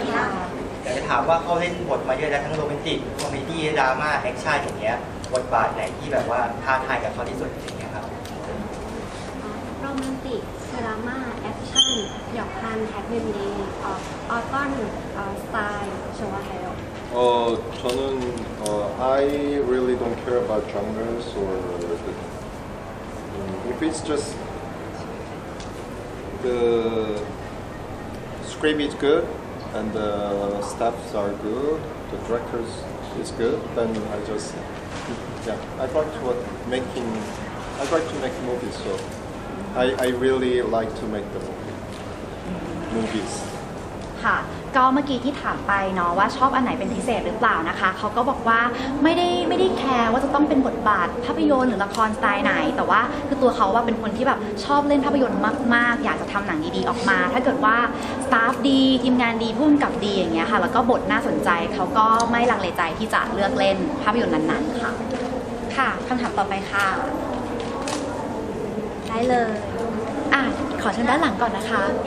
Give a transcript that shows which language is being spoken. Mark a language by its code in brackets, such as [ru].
[th] อยากจะถามว่าเขาเล่นบทมาเยอะแล้วทั้งโรแมนติกคอมเมดี้ดราม่าแอคชั่นอย่างเงี้ยบทบาทไหนที่แบบว่าท้าทายกับเขาที่สุดอย่างเงี้ยครับ โรแมนติกดราม่าแอคชั่นหยอกคันแฮปปี้เดย์ออตตันสไตล์โชว์ไฮโอ ฉันนั้น [en] I really don't care about genres or if it's just theScript is good, and the staffs are good, the directors is good, then I just, yeah, I'd like to make movies, so I really like to make the movies. [th] ค่ะก็เมื่อกี้ที่ถามไปเนาะว่าชอบอันไหนเป็นพิเศษหรือเปล่านะคะเขาก็บอกว่าไม่ได้แคร์ว่าจะต้องเป็นบทบาทภาพยนตร์หรือละครสไตล์ไหนแต่ว่าคือตัวเขาว่าเป็นคนที่แบบชอบเล่นภาพยนตร์มากๆอยากจะทำหนังดีๆออกมาถ้าเกิดว่าสตาฟดีทีมงานดีพุ่มกับดีอย่างเงี้ยค่ะแล้วก็บทน่าสนใจเขาก็ไม่ลังเลใจที่จะเลือกเล่นภาพยนตร์นั้นๆค่ะค่ะคำถามต่อไปค่ะได้เลยอ่ะขอเชิญด้านหลังก่อนนะคะ